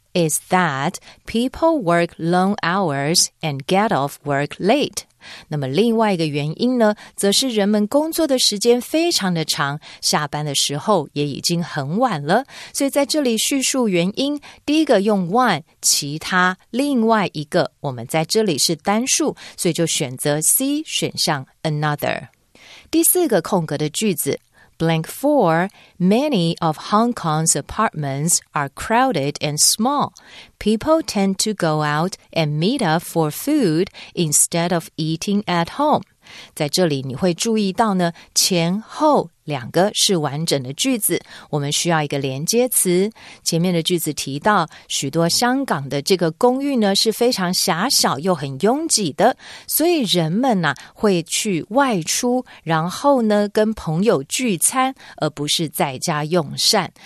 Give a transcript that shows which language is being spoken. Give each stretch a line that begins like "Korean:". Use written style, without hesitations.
English: is that people work long hours and get off work late.
Chinese: 那么另外一个原因呢，则是人们工作的时间非常的长，下班的时候也已经很晚了。所以在这里叙述原因，第一个用 one， 其他另外一个，我们在这里是单数，所以就选择 C 选项 another。第四个空格的句子
English: blank for many of Hong Kong's apartments are crowded and small. People tend to go out and meet up for food instead of eating at home.
Chinese: 在这里你会注意到呢，前后两个是完整的句子，我们需要一个连接词。前面的句子提到，许多香港的这个公寓呢是非常狭小又很拥挤的，所以人们啊会去外出，然后呢跟朋友聚餐，而不是在家用膳。